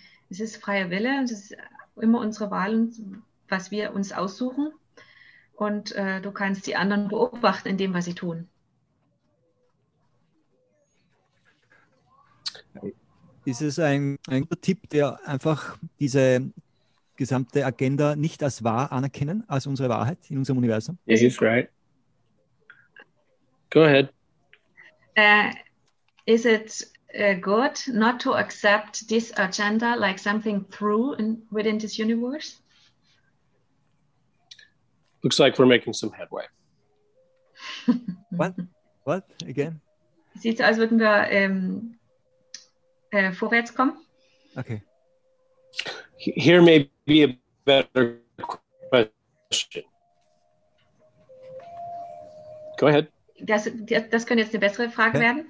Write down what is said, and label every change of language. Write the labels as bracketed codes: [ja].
[de] Es ist freier Wille, es ist immer unsere Wahl, was wir uns aussuchen. Und du kannst die anderen beobachten in dem, was sie tun. Es ist ein guter Tipp, der einfach diese gesamte Agenda nicht als wahr anerkennen, als unsere Wahrheit in unserem Universum. [en] It is right. Go ahead. Is it good not to accept this agenda like something true within this universe? Looks like we're making some headway. What? What? Again? [de] Sieht so aus, würden wir vorwärts kommen. [en] Okay. Here may be a better question. Go ahead. [de] Das könnte jetzt eine bessere Frage werden.